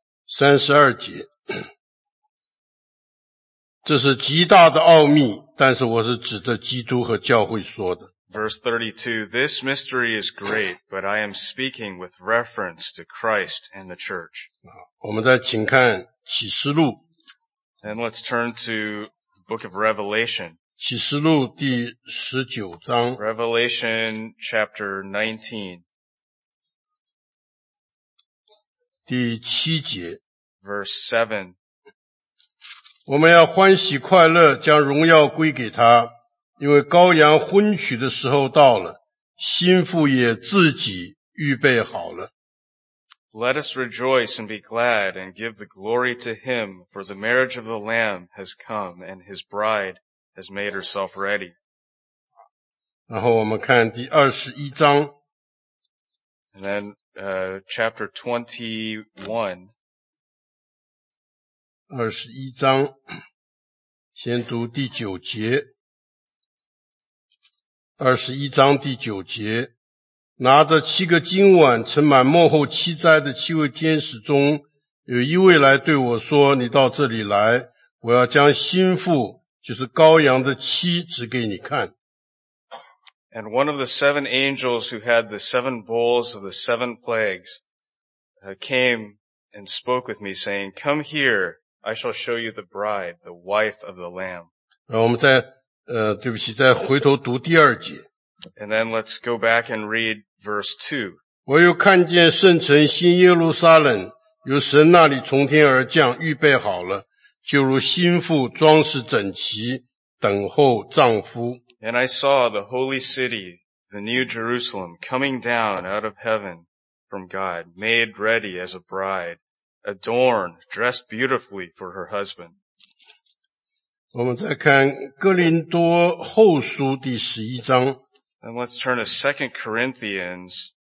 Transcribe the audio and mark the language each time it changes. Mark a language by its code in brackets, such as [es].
[zh] 三十二节。这是极大的奥秘，但是我是指着基督和教会说的。 [en] Verse 32, this mystery is great, but I am speaking with reference to Christ and the church. [zh] 我们再请看启示录。 [en] And let's turn to the book of Revelation. [zh] 启示录第十九章。 [en] Revelation chapter 19. [zh] 第七节。 [en] Verse 7. [zh] 我们要欢喜快乐，将荣耀归给他，因为羔羊婚娶的时候到了，新妇也自己预备好了。 [en] Let us rejoice and be glad and give the glory to him, for the marriage of the Lamb has come and his bride has made herself ready. [zh] 然后我们看第二十一章。 [en] And then, chapter 21. [zh] 二十一章，先读第九节。二十一章第九节，拿着七个金碗盛满末后七灾的七位天使中，有一位来对我说：“你到这里来，我要将心腹，就是羔羊的妻，指给你看。” [en] And one of the seven angels who had the seven bowls of the seven plagues came and spoke with me, saying, "Come here. I shall show you the bride, the wife of the Lamb." [zh] 我们再对不起，再回头读第二节。 [en] And then let's go back and read verse 2. [zh] 我又看见圣城新耶路撒冷由神那里从天而降，预备好了，就如新妇装饰整齐，等候丈夫。 [en] And I saw the holy city, the new Jerusalem, coming down out of heaven from God, made ready as a bride. Adorned, dressed beautifully for her husband. [zh] 我们再看哥林多后书第十一章。 [en] And let's turn to 2 Corinthians.